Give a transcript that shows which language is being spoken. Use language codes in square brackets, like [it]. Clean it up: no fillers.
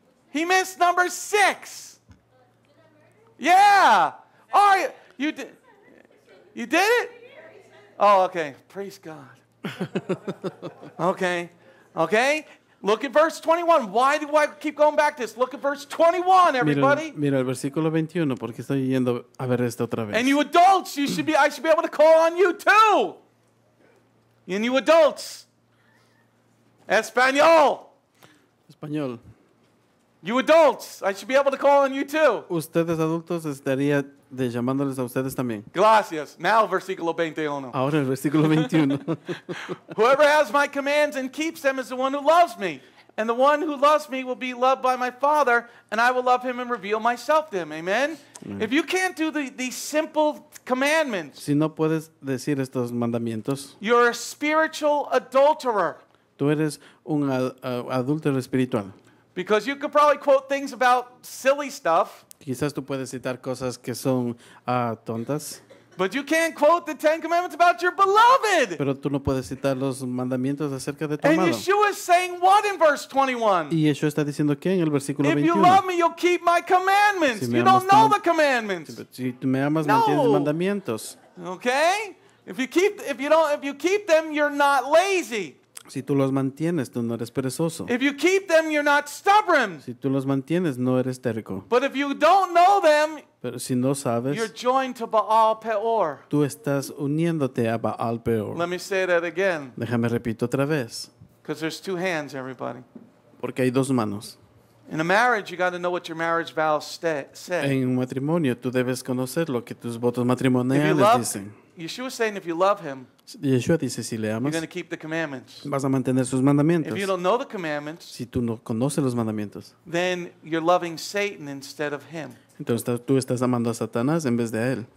[en] He missed number six. Yeah! Ariel, you did it? Oh, okay. Praise God. Okay. Look at verse 21. Why do I keep going back to this? Look at verse 21, everybody. [es] Mira el versículo 21, porque estoy yendo a ver esto otra vez. [en] And you adults, I should be able to call on you too. And you adults. Español. You adults, I should be able to call on you too. [es] Ustedes adultos estaría de llamándoles a ustedes también. Gracias. [en] Now [es] versículo 21. Ahora el versículo 21. [en] Whoever has my commands and keeps them is the one who loves me. And the one who loves me will be loved by my Father, and I will love him and reveal myself to him. Amen? Amen. If you can't do the simple commandments, [es] si no puedes decir estos mandamientos, [en] you're a spiritual adulterer. [es] Tú eres un adúltero espiritual. [en] Because you could probably quote things about silly stuff. [es] Quizás tú puedes citar cosas que son tontas. [en] But you can't quote the Ten Commandments about your beloved. [es] Pero tú no puedes citar los mandamientos acerca de tu amado. [en] And Yeshua is saying what in verse 21? [es] ¿Y Yeshua está diciendo qué en el versículo 21? [en] If you love me, you'll keep my commandments. [es] Si [en] you don't know the commandments. [es] Si tú me amas, mantienes los mandamientos. [en] Okay? If you keep them, you're not lazy. [es] Si tú los mantienes, tú no eres perezoso. [en] If you keep them, you're not stubborn. [es] Si tú los mantienes, no eres terco. [en] But if you don't know them, [es] pero si no sabes, [en] you're joined to Baal Peor. [es] Tú estás uniéndote a Baal Peor. [en] Let me say that again. [es] Déjame repito otra vez. [en] Because there's two hands, everybody. [es] Porque hay dos manos. [en] In a marriage, you got to know what your marriage vows say. [es] En un matrimonio, tú debes conocer lo que tus votos matrimoniales dicen. [en] Yeshua is saying if you love him, [es] Yeshua dice, si le amas, [en] you're going to keep the commandments. [es] Vas a mantener sus mandamientos. [en] If you don't know the commandments, [es] si tú no conoces los mandamientos, [en] then you're loving Satan instead of him. [es] Entonces tú estás amando a Satanás en vez de a él.